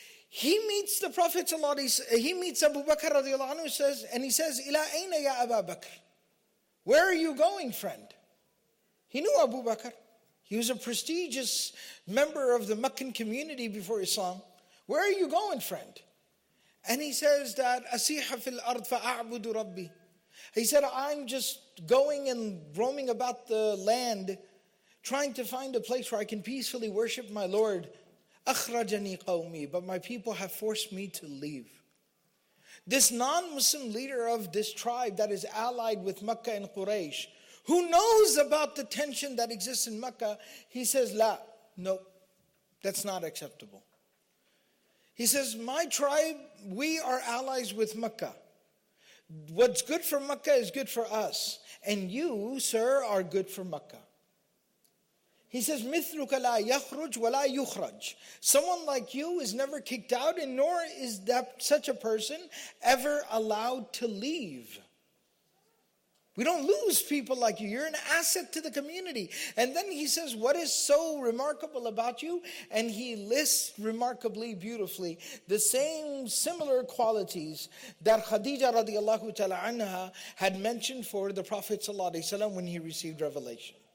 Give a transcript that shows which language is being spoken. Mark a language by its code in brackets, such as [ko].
[en] He meets the Prophet ﷺ, he meets Abu Bakr radiallahu anhu, says, and he says, [ar] إِلَىٰ أَيْنَ يَا أَبَا بَكْرِ. [en] Where are you going, friend? He knew Abu Bakr. He was a prestigious member of the Meccan community before Islam. Where are you going, friend? And he says that, [ar] أَسِيحَ فِي الْأَرْضِ فَأَعْبُدُ رَبِّي. [en] He said, I'm just going and roaming about the land, trying to find a place where I can peacefully worship my Lord. [ar] أخرجني قومي, [en] but my people have forced me to leave. This non-Muslim leader of this tribe that is allied with Mecca and Quraysh, who knows about the tension that exists in Mecca, he says, لا, no, that's not acceptable. He says, my tribe, we are allies with Mecca. What's good for Mecca is good for us. And you, sir, are good for Mecca. He says, [ar] مِثْلُكَ لَا يَخْرُجْ وَلَا يُخْرَجْ. [en] Someone like you is never kicked out, and nor is that such a person ever allowed to leave. We don't lose people like you. You're an asset to the community. And then he says, what is so remarkable about you? And he lists remarkably beautifully the same similar qualities that Khadija radiallahu ta'ala anha had mentioned for the Prophet sallallahu alayhi wa sallam when he received revelation.